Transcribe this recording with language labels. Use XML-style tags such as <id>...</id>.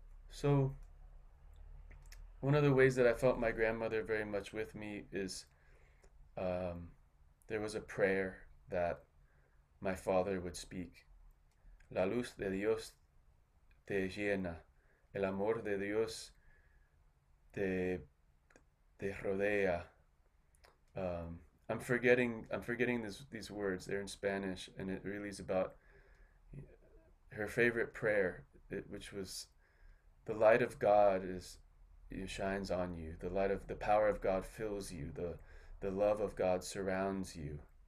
<en>So one of the ways that I felt my grandmother very much with me is there was a prayer that my father would speak.</en> <es>La luz de Dios te llena, el amor de Dios te rodea.</es> <en>I'm forgetting these words. They're in Spanish, and it really is about her favorite prayer, which was, the light of God shines on you. The light of the power of God fills you. The love of God surrounds you.</en>